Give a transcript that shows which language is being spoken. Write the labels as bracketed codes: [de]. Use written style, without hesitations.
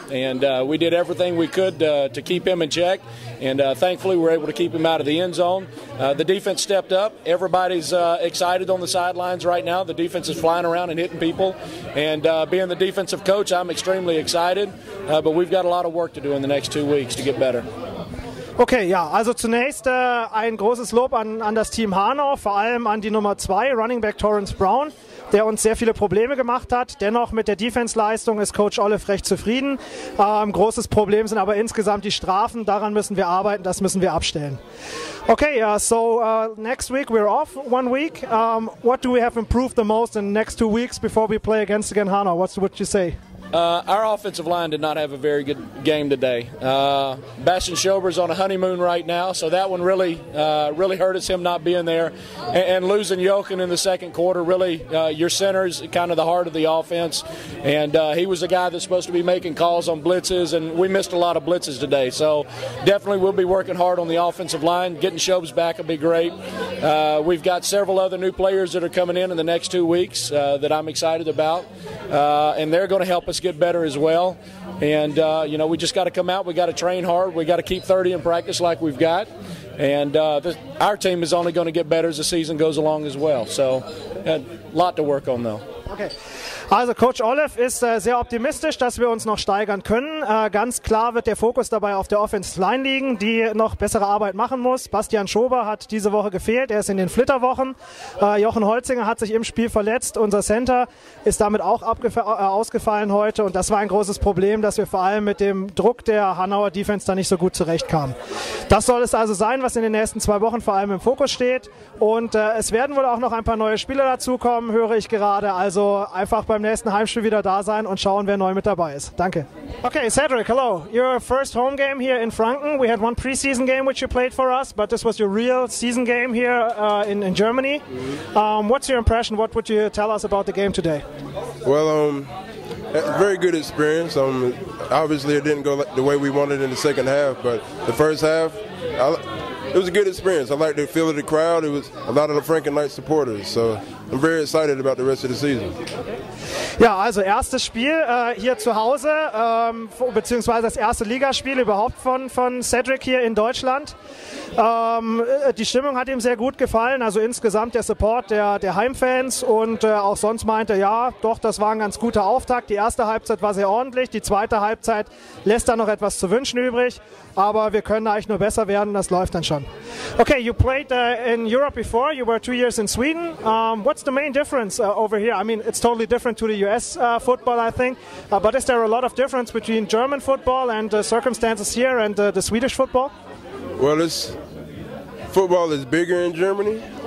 [en] And we did everything we could to keep him in check. And thankfully, we were able to keep him out of the end zone. The defense stepped up. Everybody's excited on the sidelines right now. The defense is flying around and hitting people. And being the defensive coach, I'm extremely excited. But we've got a lot of work to do in the next 2 weeks to get better. [de] Okay, ja, also zunächst ein großes Lob an das Team Hanau, vor allem an die Nummer 2, Running Back Torrence Brown, der uns sehr viele Probleme gemacht hat. Dennoch mit der Defense-Leistung ist Coach Olive recht zufrieden. Großes Problem sind aber insgesamt die Strafen. Daran müssen wir arbeiten, das müssen wir abstellen. [en] Okay, next week we're off 1 week. What do we have improved the most in the next 2 weeks before we play against again Hanau? What would you say? Our offensive line did not have a very good game today. Bastion Shelber's on a honeymoon right now, so that one really really hurt us, him not being there. And losing Jochen in the second quarter, really, your center is kind of the heart of the offense. And he was the guy that's supposed to be making calls on blitzes, and we missed a lot of blitzes today. So definitely we'll be working hard on the offensive line. Getting Shelber's back will be great. We've got several other new players that are coming in the next 2 weeks that I'm excited about. And they're going to help us get better as well. And, you know, we just got to come out. We got to train hard. We got to keep 30 in practice like we've got. And our team is only going to get better as the season goes along as well. So a lot to work on, though. Okay. [de] Also Coach Olef ist sehr optimistisch, dass wir uns noch steigern können. Ganz klar wird der Fokus dabei auf der Offensive Line liegen, die noch bessere Arbeit machen muss. Bastian Schober hat diese Woche gefehlt, er ist in den Flitterwochen. Jochen Holzinger hat sich im Spiel verletzt. Unser Center ist damit auch ausgefallen heute. Und das war ein großes Problem, dass wir vor allem mit dem Druck der Hanauer Defense da nicht so gut zurechtkamen. Das soll es also sein, was in den nächsten 2 Wochen vor allem im Fokus steht. Und es werden wohl auch noch ein paar neue Spieler dazukommen, höre ich gerade. Also einfach beim nächsten Heimspiel wieder da sein und schauen, wer neu mit dabei ist. Danke. [en] Okay, Cedric, hello. Your first home game here in Franken. We had one preseason game which you played for us, but this was your real season game here in Germany. Mm-hmm. What's your impression? What would you tell us about the game today? Well, very good experience. Obviously, it didn't go the way we wanted in the second half, but the first half, it was a good experience. I liked the feel of the crowd. It was a lot of the Franken Knights supporters, so I'm very excited about the rest of the season. [de] Ja, also erstes Spiel hier zu Hause, beziehungsweise das erste Ligaspiel überhaupt von Cedric hier in Deutschland. Die Stimmung hat ihm sehr gut gefallen, also insgesamt der Support der Heimfans und auch sonst meinte, ja, doch, das war ein ganz guter Auftakt. Die erste Halbzeit war sehr ordentlich, die zweite Halbzeit lässt da noch etwas zu wünschen übrig, aber wir können eigentlich nur besser werden, das läuft dann schon. [en] Okay, you played in Europe before, you were 2 years in Sweden. What's the main difference over here? I mean, it's totally different to the US football, I think. But is there a lot of difference between German football and the circumstances here and the Swedish football? Well, football is bigger in Germany.